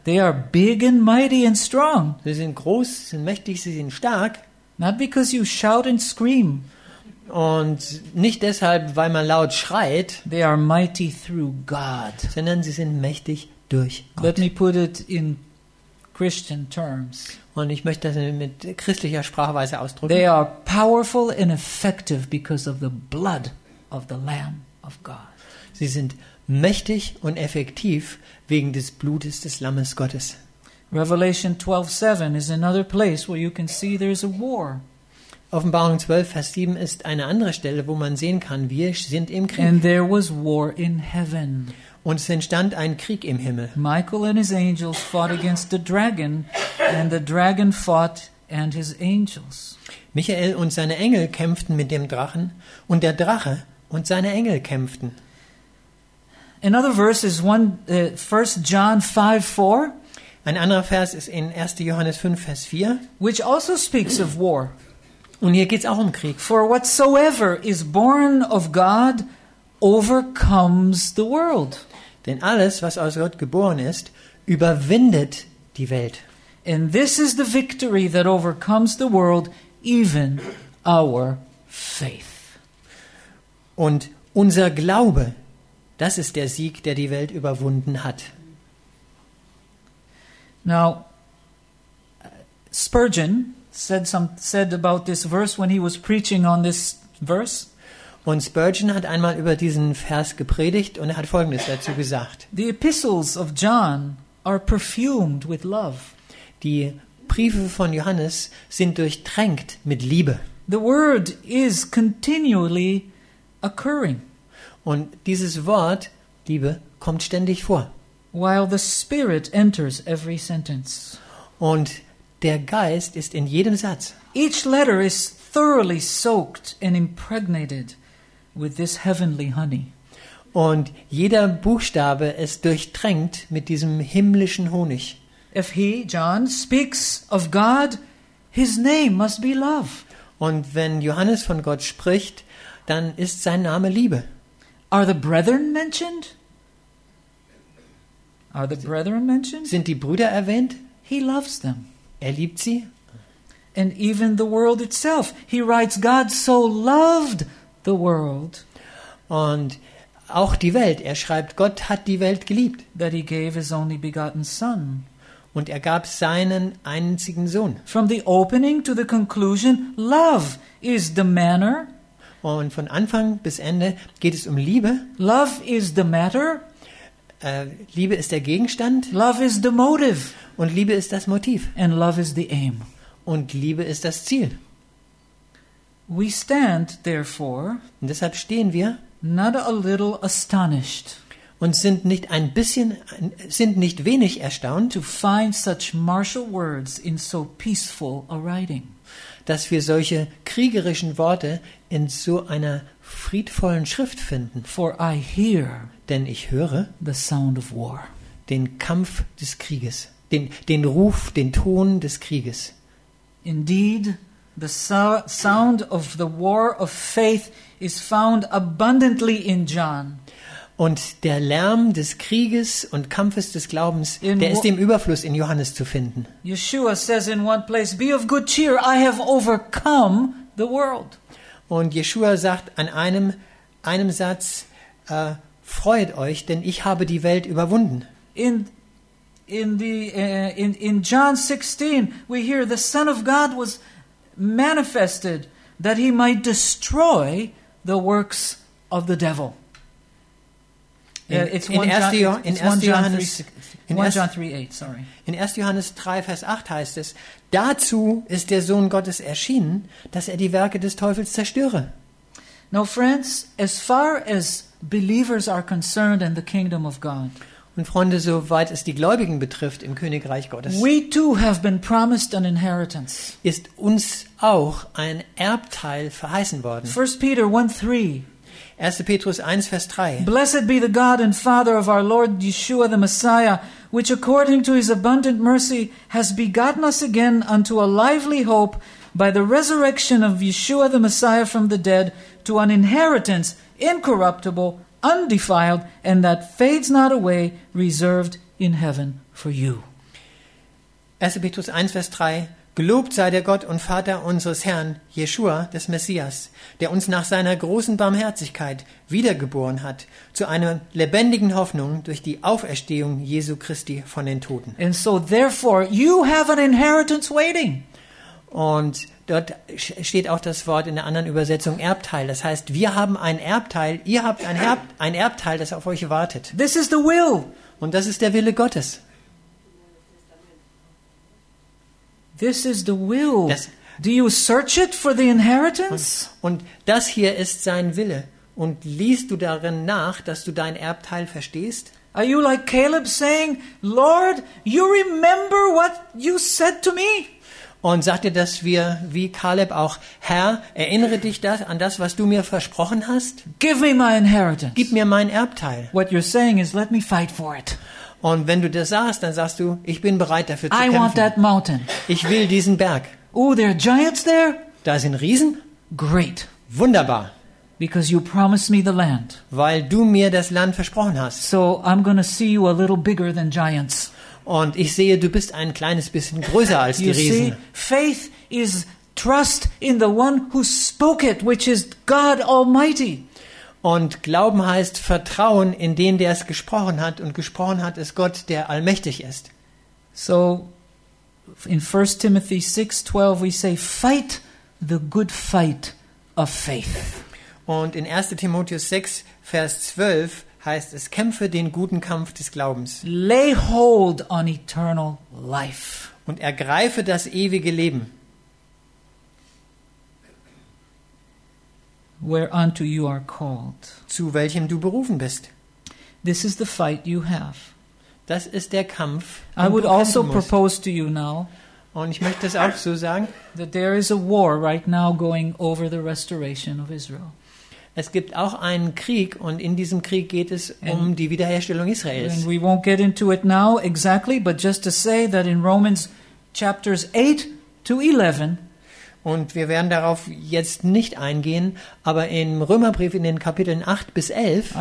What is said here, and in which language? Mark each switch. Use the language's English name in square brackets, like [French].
[English] They are big and mighty and strong. [German] Sie sind groß, sind mächtig, sie sind stark. [English] Not because you shout and scream. [German] Und nicht deshalb, weil man laut schreit. [English] They are mighty through God. [German] Sondern sie sind mächtig durch Gott. [English] Let me put it in Christian terms. [German] Und ich möchte das mit christlicher Sprachweise ausdrücken. [English] They are powerful and effective because of the blood of the Lamb of God. [German] Sie sind mächtig und effektiv wegen des Blutes des Lammes Gottes. [English] Revelation 12:7 is another place where you can see there is a war. [German] Offenbarung 12, Vers 7 ist eine andere Stelle, wo man sehen kann, wir sind im Krieg. [English] And there was war in heaven. [German] Und es entstand ein Krieg im Himmel. [English] Michael and his angels fought against the dragon, and the dragon fought and his angels. [German] Michael und seine Engel kämpften mit dem Drachen, und der Drache und seine Engel kämpften. [English] Another verse is 1 John 5:4. [German] Ein anderer Vers ist in 1. Johannes 5, Vers 4. [English] Which also speaks of war. [German] Und hier geht's auch um Krieg. [English] For whatsoever is born of God overcomes the world. [German] Denn alles, was aus Gott geboren ist, überwindet die Welt. [English] And this is the victory that overcomes the world, even our faith. [German] Und unser Glaube, das ist der Sieg, der die Welt überwunden hat. [English] Now, Spurgeon said about this verse when he was preaching on this verse. [German] Und Spurgeon hat einmal über diesen Vers gepredigt und er hat Folgendes dazu gesagt. [English] The epistles of John are perfumed with love. [German] Die Briefe von Johannes sind durchtränkt mit Liebe. [English] The word is continually occurring. [German] Und dieses Wort Liebe kommt ständig vor. [English] While the Spirit enters every sentence. [German] Und der Geist ist in jedem Satz. [English] Each letter is thoroughly soaked and impregnated with this heavenly honey. [German] Und jeder Buchstabe ist durchtränkt mit diesem himmlischen Honig. [English] If he, John, speaks of God, his name must be love. [German] Und wenn Johannes von Gott spricht, dann ist sein Name Liebe. [English] Are the brethren mentioned? Are the brethren mentioned? [German] Sind die Brüder erwähnt? [English] He loves them. [German] Er liebt sie. [English] And even the world itself. He writes, God so loved the world. [German] Und auch die Welt. Er schreibt, Gott hat die Welt geliebt. [English] That he gave his only begotten son. [German] Und er gab seinen einzigen Sohn. [English] From the opening to the conclusion, love is the manner. [German] Und von Anfang bis Ende geht es um Liebe. [English] Love is the matter. [German] Liebe ist der Gegenstand. [English] Love is the motive. [German] Und Liebe ist das Motiv. [English] And love is the aim. [German] Und Liebe ist das Ziel. [English] We stand therefore. [German] Und deshalb stehen wir. [English] Not a little astonished. [German] Und sind nicht ein bisschen, sind nicht wenig erstaunt. [English] To find such martial words in so peaceful a writing. [German] Dass wir solche kriegerischen Worte in so einer friedvollen Schrift finden. [English] For I hear, [German] denn ich höre, [English] the sound of war, [German] den Kampf des Krieges, den Ruf, den Ton des Krieges. [English] Indeed, the sound of the war of faith is found abundantly in John. [German] Und der Lärm des Krieges und Kampfes des Glaubens, der ist im Überfluss in Johannes zu finden. [English] Yeshua says in one place, be of good cheer, I have overcome the world. [German] Und Yeshua sagt an einem Satz, freut euch, denn ich habe die Welt überwunden. [English] In John 16, we hear the Son of God was manifested that he might destroy the works of the devil. [German] In 1. Johannes 3, Vers 8 heißt es, dazu ist der Sohn Gottes erschienen, dass er die Werke des Teufels zerstöre. [English] Now friends, as far as believers are concerned in the kingdom of God. [German] Und Freunde, soweit es die Gläubigen betrifft im Königreich Gottes. [English] We too have been promised an inheritance. [German] Ist uns auch ein Erbteil verheißen worden. [English] 1 Peter 1:3. [German] 1. Petrus 1, Vers 3. [English] Blessed be the God and Father of our Lord Yeshua the Messiah, which according to his abundant mercy has begotten us again unto a lively hope by the resurrection of Yeshua the Messiah from the dead to an inheritance incorruptible, undefiled, and that fades not away, reserved in heaven for you. [German] 1. Petrus 1, Vers 3. Gelobt sei der Gott und Vater unseres Herrn, Jeschua, des Messias, der uns nach seiner großen Barmherzigkeit wiedergeboren hat, zu einer lebendigen Hoffnung durch die Auferstehung Jesu Christi von den Toten. [English] And so therefore you have an inheritance waiting. [German] Und dort steht auch das Wort in der anderen Übersetzung Erbteil. Das heißt, wir haben ein Erbteil, ihr habt ein Erbteil, das auf euch wartet. [English] This is the will. [German] Und das ist der Wille Gottes. [English] This is the will. Do you search it for the inheritance? [German] Und das hier ist sein Wille. Und liest du darin nach, dass du dein Erbteil verstehst? [English] Are you like Caleb saying, Lord, you remember what you said to me? [German] Und sagt dir, dass wir wie Caleb auch, Herr, erinnere dich das an das, was du mir versprochen hast? [English] Give me my inheritance. [German] Gib mir mein Erbteil. [English] What you're saying is, let me fight for it. [German] Und wenn du das sagst, dann sagst du, ich bin bereit dafür zu kämpfen. [English] I want that mountain. [German] Ich will diesen Berg. [English] Oh, there are giants there? [German] Da sind Riesen? [English] Great. [German] Wunderbar. [English] Because you promised me the land. [German] Weil du mir das Land versprochen hast. [English] So I'm gonna see you a little bigger than giants. [German] Und ich sehe, du bist ein kleines bisschen größer als die Riesen. [English] You see, faith is trust in the one who spoke it, which is God Almighty. [German] Und Glauben heißt Vertrauen in den, der es gesprochen hat. Und gesprochen hat es Gott, der allmächtig ist. [English] So, in 1 Timothy 6:12 we say, fight the good fight of faith. [German] Und in 1. Timotheus 6, Vers 12 heißt es, kämpfe den guten Kampf des Glaubens. [English] Lay hold on eternal life. [German] Und ergreife das ewige Leben. [English] Whereunto you are called. [German] Zu welchem du berufen bist. [English] This is the fight you have. [German] Das ist der Kampf. [English] I would also propose to you now. [German] Und ich möchte es auch so sagen. [English] That there is a war right now going over the restoration of Israel. [German] Es gibt auch einen Krieg und in diesem Krieg geht es um die Wiederherstellung Israels. [English] And we won't get into it now exactly, but just to say that in Romans chapters 8 to 11. [German] Und wir werden darauf jetzt nicht eingehen, aber im Römerbrief in den Kapiteln 8 bis 11.